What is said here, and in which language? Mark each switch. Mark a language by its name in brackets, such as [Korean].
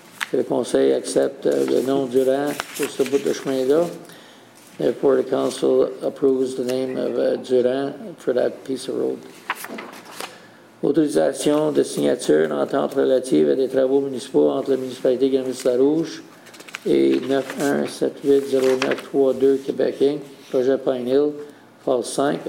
[French] Que le conseil accepte le nom Durand pour ce bout de chemin-là. [English] Therefore, the council approves the name of Durand for that piece of road. [French] Autorisation de signature d'entente relative à des travaux municipaux entre la municipalité Granville-Sarrouge et 9178-0932 Québec Inc., projet Pine Hill, phase 5.